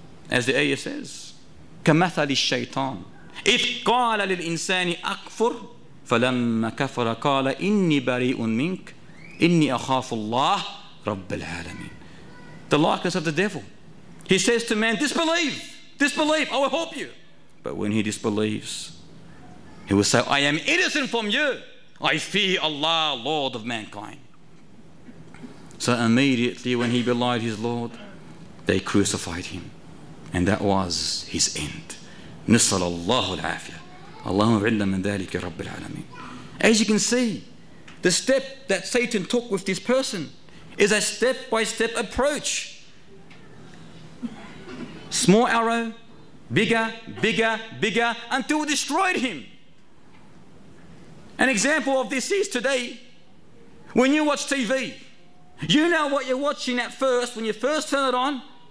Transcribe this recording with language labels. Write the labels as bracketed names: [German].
[English] As the ayah says, [Arabic] كَمَثَلِ الشَّيْطَانِ إِذْ قَالَ لِلْإِنسَانِ أَكْفُرْ فَلَمَّا كَفَرَ قَالَ إِنِّي بَرِيءٌ مِنْكَ إِنِّي أَخَافُ اللَّهِ رَبَّ الْعَالَمِينَ. [English] The likeness of the devil. He says to man, disbelieve, disbelieve, I will help you. But when he disbelieves, he will say, I am innocent from you. I fear Allah, Lord of mankind. So immediately when he belied his Lord, they crucified him. And that was his end. [Arabic] نسأل الله العافية. اللهم عنا من ذلك يا رب العالمين. [English] As you can see, the step that Satan took with this person is a step-by-step approach. Small arrow, bigger, bigger, bigger, until it destroyed him. An example of this is today, when you watch TV, you know what you're watching at first, when you first turn it on.